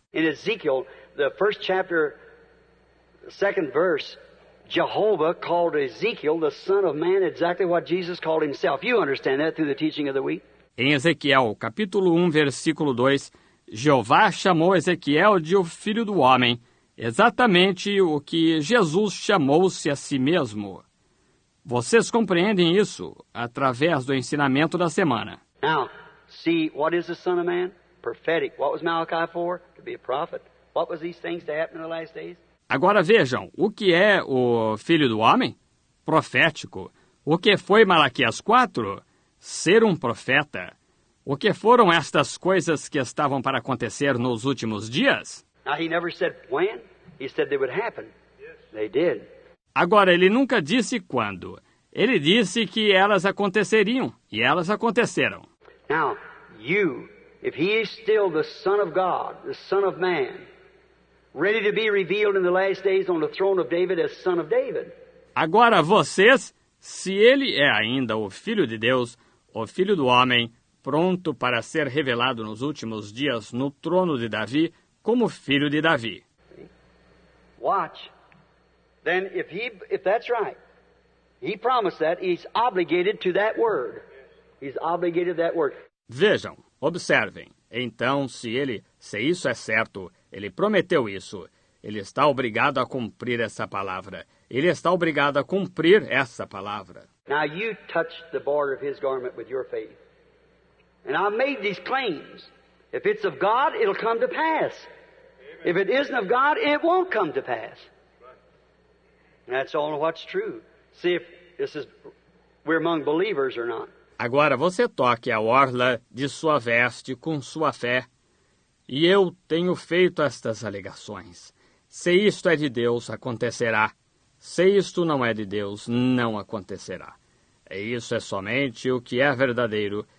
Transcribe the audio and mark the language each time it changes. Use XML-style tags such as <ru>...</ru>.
<en>In Ezekiel, the first chapter, second verse, Jehovah called Ezekiel the Son of Man, exactly what Jesus called himself. You understand that through the teaching of the week?</en> <pt>Em Ezequiel, capítulo 1, versículo 2, Jeová chamou Ezequiel de o Filho do Homem, exatamente o que Jesus chamou-se a si mesmo. Vocês compreendem isso através do ensinamento da semana.</pt> <en>Now, see, what is the Son of Man? Prophetic. What was Malachi for? To be a prophet. What was these things to happen in the last days?</en> <pt>Agora vejam, o que é o Filho do Homem? Profético. O que foi Malaquias 4? Ser um profeta. O que foram estas coisas que estavam para acontecer nos últimos dias?</pt> <en>Now, he never said when. He said they would happen. They did.</en> <pt>Agora, ele nunca disse quando. Ele disse que elas aconteceriam, e elas aconteceram.</pt> <en>Now, you, if he is still the Son of God, the Son of Man, ready to be revealed in the last days on the throne of David as Son of David.</en> <pt>Agora, vocês, se ele é ainda o Filho de Deus, o Filho do Homem, pronto para ser revelado nos últimos dias no trono de Davi, como Filho de Davi.</pt> <en>Watch. Then if that's right, he promised that, he's obligated to that word. He's obligated to that word.</en> <pt>Vejam, observem. Então, se isso é certo, ele prometeu isso. Ele está obrigado a cumprir essa palavra. Ele está obrigado a cumprir essa palavra.</pt> <en>Now you touched the border of his garment with your faith. And I made these claims. If it's of God, it'll come to pass. Amen. If it isn't of God, it won't come to pass. That's all what's true. See if this is we're among believers or not.</en> <pt>Agora você toque a orla de sua veste com sua fé. E eu tenho feito estas alegações. Se isto é de Deus, acontecerá. Se isto não é de Deus, não acontecerá. E isso é somente o que é verdadeiro.</pt>